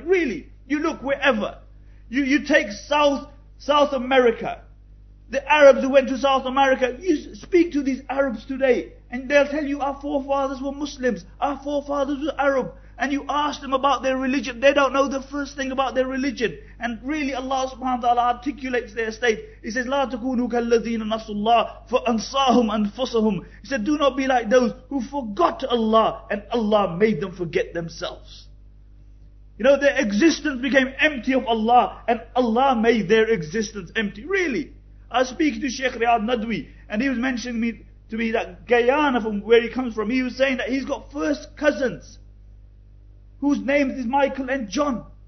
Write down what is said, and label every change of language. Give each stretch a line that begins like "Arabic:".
English: Really, you look wherever. You take South America. The Arabs who went to South America, you speak to these Arabs today and they'll tell you our forefathers were Muslims, our forefathers were Arab. And you ask them about their religion, they don't know the first thing about their religion. And really Allah subhanahu wa ta'ala articulates their state.
Arabic: He says, لَا تَكُونُوا كَالَّذِينَ نَسُوا اللَّهِ فَأَنْصَاهُمْ أَنْفُسَهُمْ.
English: He said, do not be like those who forgot Allah and Allah made them forget themselves. You know, their existence became empty of Allah and Allah made their existence empty. Really? I was speaking to Sheikh Riyad Nadwi, and he was mentioning to me that Guyana, from where he comes from, he was saying that he's got first cousins whose names is Michael and John.